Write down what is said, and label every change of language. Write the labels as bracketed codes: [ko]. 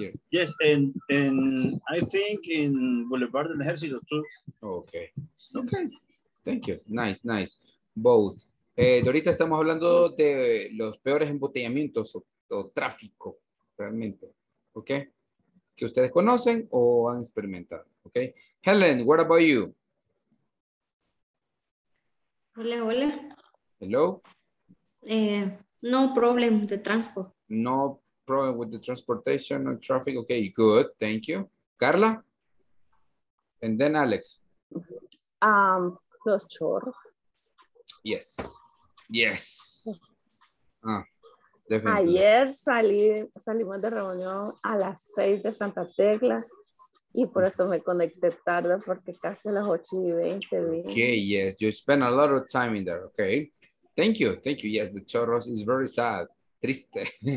[en] Yes, and I think in Boulevard del Ejército too. Okay. Thank you. Nice. Both. [es] Dorita, estamos hablando de los peores embotellamientos o tráfico, realmente. Okay. Que ustedes conocen o han experimentado, okay? [en] Helen, what about you? [es] Hola. [en] Hello. No problem with the transport. No problem with the transportation or traffic. Okay, good. Thank you, Carla. And then Alex. [es] Los chorros. [en] Yes. Ah, [es] Ayer salimos de reunión a las 6 de Santa Tecla y por eso me conecté tarde porque casi a las 8:20. [en] Okay, yes, you spent a lot of time in there, okay. Thank you, yes, the chorros is very sad, [es] triste.